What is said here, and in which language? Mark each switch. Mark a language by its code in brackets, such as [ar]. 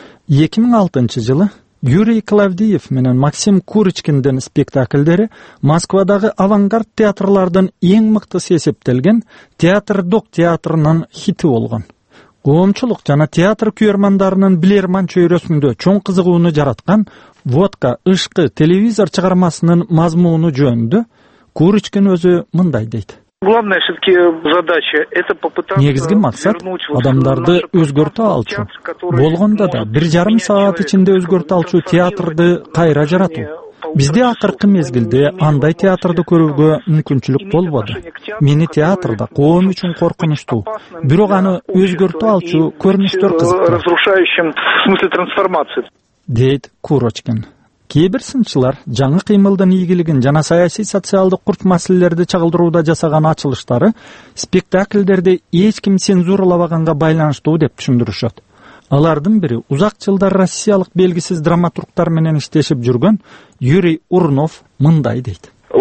[ky] 2006-жылы Юрий Клавдиев менен Максим Курочкиндин спектакльдери Москвадагы авангард театрлардын эң мыктысы эсептелген Театр Док театрынын хити болгон. Коомчулук жана театр күйөрмандарынын билерман чөйрөсүндө чоң кызыгууну жараткан «Водка, ышкы, телевизор» чыгармасынын мазмуну жөнүндө Курочкин өзү мындай дейт. [ru] Главная все-таки задача это попытаться. [ky] Негизги максат адамдарды өзгөртө алчу. Болгондо да 1.5 саат ичинде өзгөртө алчу театрды кайра жаратуу. Бизде акыркы мезгилде андай театрды көрүүгө мүмкүнчүлүк болбоду. Мени театрда коом үчүн коркунучтуу, бирок аны өзгөртө алчу көрүнүштөр кызыктырат. [ru] Разрушающим смысле трансформации. [ky] Дейт Курочкин. Кээбир сынчылар жаңы кыймылдын ийгилигин жана саясий социалдык курч маселелерди чагылдырууда жасаган ачылыштары спектакльдерди эч ким цензуралабаганга байланыштуу деп түшүндүрүшөт. Алардын бири узак жылдар россиялык белгисиз драматургтар менен иштешип жүргөн Юрий Урнов мындай дейт.